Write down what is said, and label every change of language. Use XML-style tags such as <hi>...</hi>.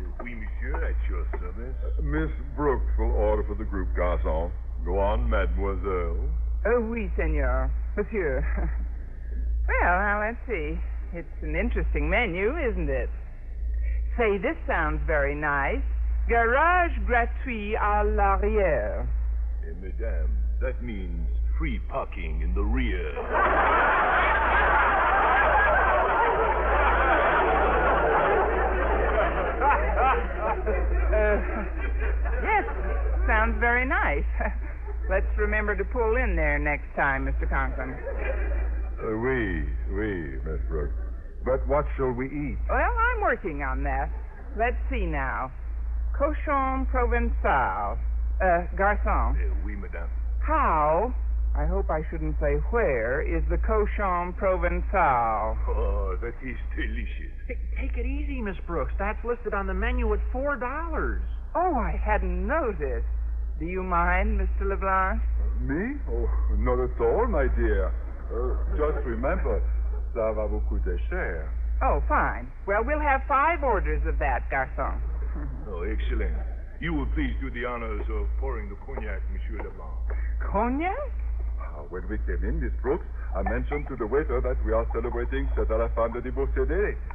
<fr>Oui, monsieur,</fr> <en>at your service. Miss Brooks will order for the group, garçon. Go on, mademoiselle. Oh, oui, senor. Monsieur. Well, now, let's see. It's an interesting menu, isn't it? Say, this sounds very nice.</en> <fr>Garage gratuit à l'arrière.</fr> <en>Eh, madame, that means free parking in the rear. Yes, sounds very nice. Let's remember to pull in there next time, Mr. Conklin. Oui, Miss Brooks. But what shall we eat? Well, I'm working on that. Let's see now. Cochon Provençal. Garçon.</en> <fr>Oui, madame.</fr> <en>How, I hope I shouldn't say where, is the Cochon Provençal? Oh, that is delicious. Take it easy, Miss Brooks. That's listed on the menu at $4. Oh, I hadn't noticed. Do you mind, Mr. LeBlanc? Me? Oh, not at all, my dear. Just remember,</en> <fr>ça va vous coûter cher.</fr> <en>Oh, fine. Well, we'll have 5 orders of that, garçon. Oh, excellent. You will please do the honors of pouring the cognac, Monsieur LeBlanc. Cognac? When we came in, Miss Brooks, I mentioned to the waiter that we are celebrating</en> <fr>C'est à la fin de débourser</fr> <en>day.</en>